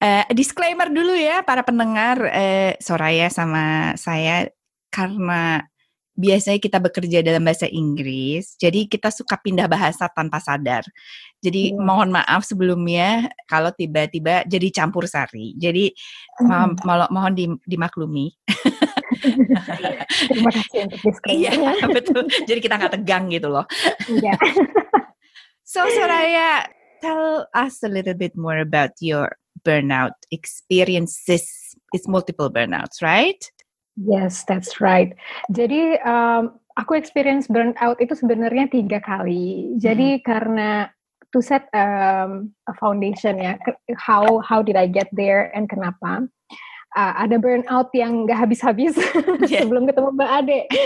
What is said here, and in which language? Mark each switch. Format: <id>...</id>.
<id>Disclaimer dulu ya, para pendengar, Soraya sama saya, karena biasanya kita bekerja dalam bahasa Inggris, jadi kita suka pindah bahasa tanpa sadar. Jadi mohon maaf sebelumnya kalau tiba-tiba jadi campur sari, jadi mohon dimaklumi. Terima kasih untuk diskusinya. Iya, betul. Jadi kita gak tegang gitu loh. Iya.</id> <en>So Soraya, tell us a little bit more about your burnout experiences. It's multiple burnouts, right? Yes, that's right.</en> <id>Jadi aku experience burnout itu sebenarnya 3 kali. Jadi karena</id> <en>to set a foundation ya, how did I get there and</en> <id>kenapa? Ada burnout yang gak habis-habis sebelum ketemu Mbak Ade.</id>